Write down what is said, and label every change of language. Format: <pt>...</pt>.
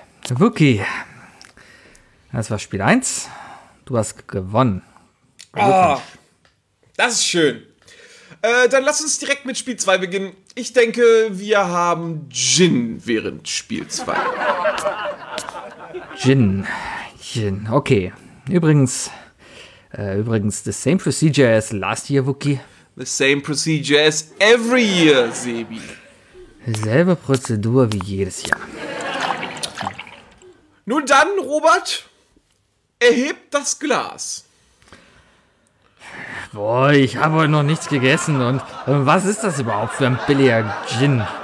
<de>Wookie, das war Spiel 1. Du hast gewonnen. Oh, das ist schön. Dann lass uns direkt mit Spiel 2 beginnen. Ich denke, wir haben Gin während Spiel 2. Gin, okay. Übrigens,</de> <en>the same procedure as last year, Wookie. The same procedure as every year, Sebi.</en> <de>Selbe Prozedur wie jedes Jahr. Nun dann, Robert, erhebt das Glas. Boah, ich habe heute noch nichts gegessen. Und was ist das überhaupt für ein billiger Gin?</de>